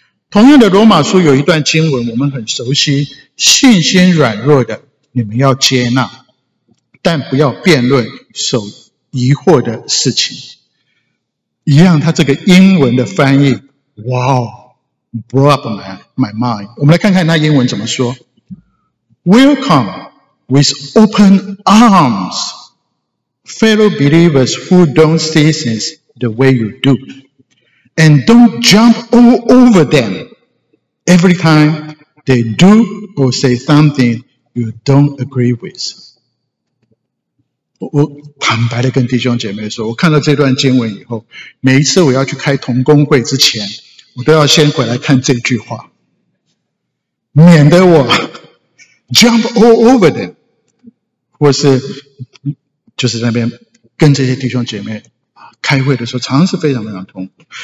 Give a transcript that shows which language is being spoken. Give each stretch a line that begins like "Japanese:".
Chinese: 同样的，罗马书有一段经文我们很熟悉，信心软弱的你们要接纳，但不要辩论受疑惑的事情。一样，他这个英文的翻译
English: Wow blew up my mind。
Chinese: 我们来看看他英文怎么说。
English: Welcome with open arms fellow believers who don't see things the way you do, and don't jump all over them every time they do or say something you don't agree with。
Chinese: 我坦白的跟弟兄姐妹说，我看到这段经文以后，每一次我要去开同工会之前，我都要先回来看这句话，免得我
English: jump all over them，
Chinese: 或是就是那边跟这些弟兄姐妹开会的时候常常是非常非常痛苦。